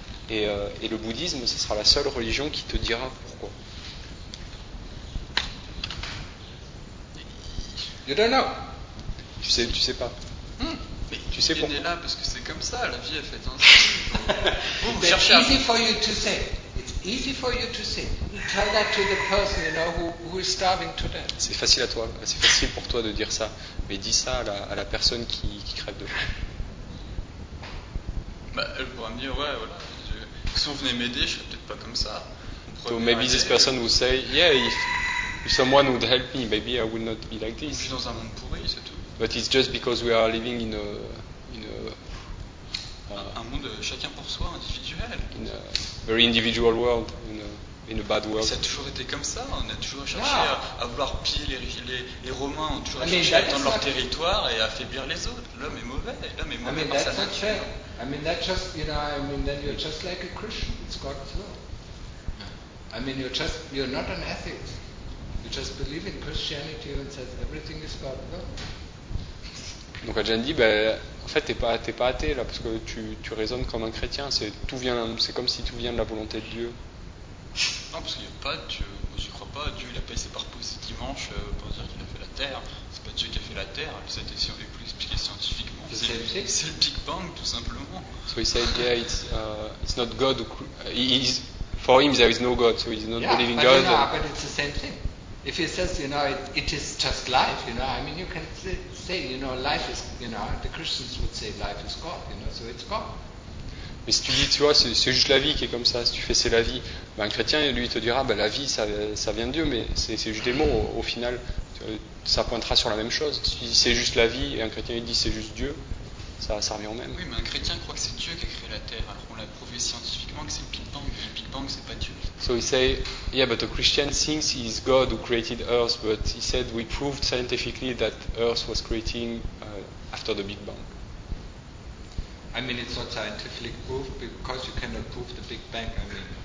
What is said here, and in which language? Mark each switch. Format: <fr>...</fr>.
<fr>Et le bouddhisme, ce sera la seule religion qui te dira pourquoi.</fr> <en>You don't know.</en> <fr>Tu sais pas. Mais tu sais pourquoi. Il est là parce que c'est comme ça, la vie est faite.</fr> <en>It's easy for you to say. It's easy for you to say. Tell that to the person, you know, who is starving to death.</en> <fr>C'est facile à toi. C'est facile pour toi de dire ça. Mais dis ça à la personne qui crève de faim. Bah, elle pourra me dire, ouais, voilà. Si on venait m'aider, je serais peut-être pas comme ça.</fr> <en>So maybe this person would say, yeah, if someone would help me, maybe I would not be like this.</en> <fr>Je suis dans un monde pourri, c'est tout.</fr> <en>But it's just because we are living in a</en> <fr>un monde chacun pour soi, individuel.</fr> <en>In a very individual world, in a bad world.</en> <fr>Mais ça a toujours été comme ça. On a toujours cherché à vouloir piller les Romains ont toujours cherché à étendre leur territoire et à affaiblir les autres. L'homme est mauvais. L'homme est mauvais par sa nature.</fr> <en>I mean that just you know I mean then you're just like a Christian, it's God's law. I mean you're not an atheist. You just believe in Christianity and says everything is God's law.</en> <fr>Donc Ajahn dit en fait t'es pas athée là parce que tu raisonnes comme un chrétien, c'est comme si tout vient de la volonté de Dieu. Non parce qu'il n'y a pas de Dieu, moi je crois pas, Dieu il a pas essayé par poser dimanche pour dire qu'il a fait la terre. C'est pas Dieu qui a fait la terre, c'était si on veut plus expliquer scientifiquement. C'est le Big Bang, tout simplement.</fr> <en>So he said, yeah, it's not God. For him, there is no God, so he's not believing God. Yeah, but it's the same thing. If he says, you know, it is just life, you know, I mean, you can say, you know, life is, you know, the Christians would say life is God, you know, so it's God.</en> <fr>Mais si tu dis, tu vois, c'est juste la vie qui est comme ça, si tu fais, c'est la vie, un chrétien, lui, il te dira, la vie, ça vient de Dieu, mais c'est juste des mots, au final. Ça pointera sur la même chose. Si c'est juste la vie et un chrétien il dit c'est juste Dieu, ça va servir au même. Oui, mais un chrétien croit que c'est Dieu qui a créé la terre, alors qu'on l'a prouvé scientifiquement que c'est le Big Bang. Le Big Bang, c'est pas Dieu.</fr> <en>So he say, yeah, but a Christian thinks he's God who created Earth, but he said we proved scientifically that Earth was creating after the Big Bang. I mean, it's not scientifically proved because you cannot prove the Big Bang. I mean,</en>